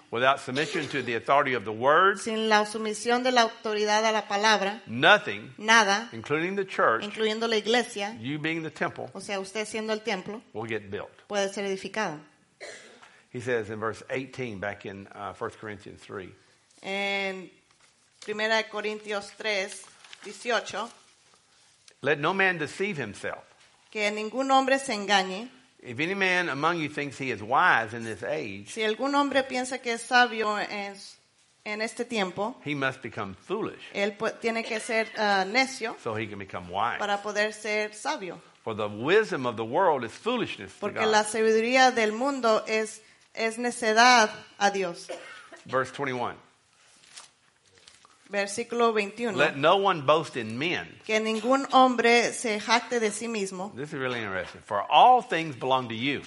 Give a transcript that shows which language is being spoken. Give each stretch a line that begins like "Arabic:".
English: Without submission to the authority of the word.
Spanish: Sin la sumisión de la autoridad a la palabra.
English: Nothing.
Spanish: Nada.
English: Including the church.
Spanish: Incluyendo la iglesia.
English: You being the temple.
Spanish: O sea, usted siendo el templo.
English: Will get built.
Spanish: Puede ser edificado.
English: He says in verse 18 back in 1 Corinthians 3.
Spanish: En 1 Corintios 3, 18.
English: Let no man deceive himself.
Spanish: Que ningún hombre se engañe.
English: If any man among you thinks he is wise in this age,
Spanish: si algún hombre piensa que es sabio en este tiempo,
English: he must become foolish.
Spanish: Él tiene que ser necio.
English: So he can become wise.
Spanish: Para poder ser sabio.
English: For the wisdom of the world is foolishness to God.
Spanish: Porque la sabiduría del mundo es necedad a Dios.
English: Verse 21.
Spanish: Versículo 21.
English: Let no one boast in men.
Spanish: Que ningún hombre se jacte de sí mismo.
English: This is really interesting. For all things belong to you.